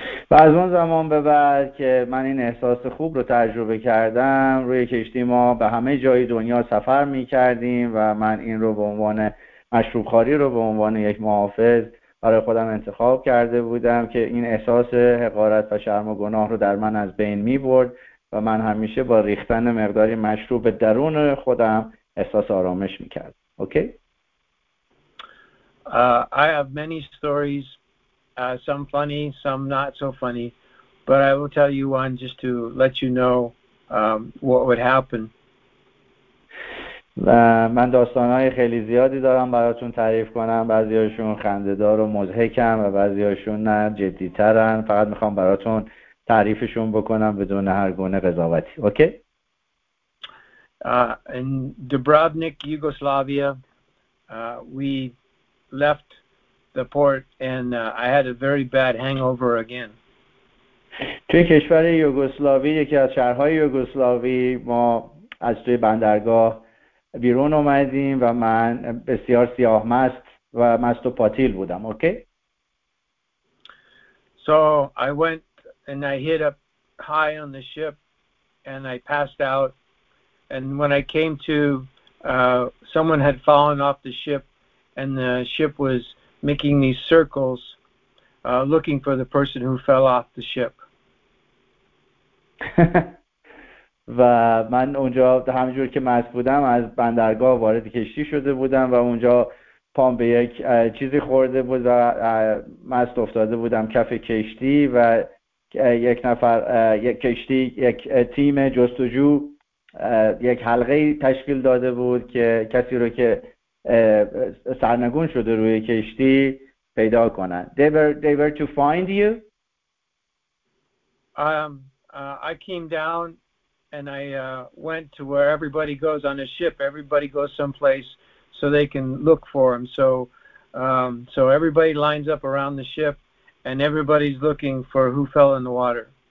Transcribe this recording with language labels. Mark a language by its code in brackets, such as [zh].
[fa] و از اون زمان به بعد که من این احساس خوب رو تجربه کردم، روی کشتی ما به همه جای دنیا سفر می کردیم و من این رو به عنوان مشروب خواری رو به عنوان یک محافظ برای خودم انتخاب کرده بودم که این احساس حقارت و شرم و گناه رو در من از بین می برد و من همیشه با ریختن مقداری مشروب درون خودم احساس آرامش می کردم. [en] Okay? I have many stories. Some funny, some not so funny, but I will tell you one just to let you know what would happen. [fa] من داستان‌های خیلی زیادی دارم براتون تعریف کنم. بعضی‌هاشون خنده‌دار و مضحکن و بعضی‌هاشون نه، جدی‌ترن. فقط می‌خوام براتون تعریفشون بکنم بدون هر گونه قضاوتی. [en] Okay? In Dubrovnik, Yugoslavia, we left the port and I had a very bad hangover again. [fa] توی کشور یوگسلاوی، یکی از شهرهای یوگسلاوی، ما از توی بندرگاه بیرون اومدیم و من بسیار سیاه مست و مست و پاتیل بودم. [en] Okay? So I went and I hit up high on the ship and I passed out, and when I came to someone had fallen off the ship and the ship was making these circles looking for the person who fell off the ship. [fa] و من اونجا همینجور که مست بودم از بندرگاه وارد کشتی شده بودم و اونجا پام به یک چیزی خورده بود و مست افتاده بودم کف کشتی و یک نفر، یک کشتی، یک تیم جستجو یک حلقه تشکیل داده بود که کسی رو که سرنگون شده روی کشتی پیدا کنن. [en] They were to find you. I came down and I went to where everybody goes on a ship. Everybody goes someplace so they can look for him. So everybody lines up around the ship and everybody's looking for who fell in the water.